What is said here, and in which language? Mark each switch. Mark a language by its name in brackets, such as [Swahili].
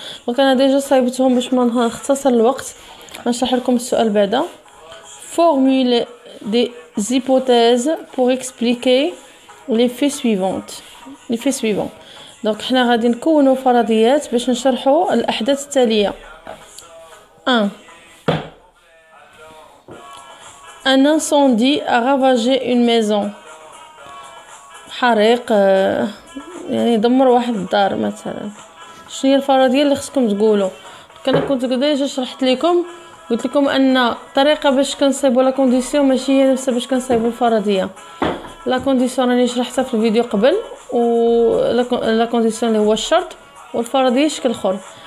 [Arabic] دونك انا ديجا صايبتهم باش ما نختصر الوقت. نشرح لكم السؤال بعدا. [French] فورمول دي زيبوتيز بور اكسبليكي لي في سويفونت. [Arabic] لي في سويفون دونك حنا غادي نكونوا فرضيات باش نشرحوا الاحداث التاليه. [French] 1 Un incendie a ravagé une maison. [Arabic] حريق يعني دمر واحد الدار مثلا. شنو هي الفرضيه اللي خصكم تقولوا؟ كان كنت ديجا شرحت لكم قلت لكم ان الطريقه باش كنصايبوا لا كونديسيون ماشي هي نفسها باش كنصايبوا الفرضيه. لا كونديسيون راني شرحتها في الفيديو قبل و لا كونديسيون اللي هو الشرط والفرضيه شكل اخر.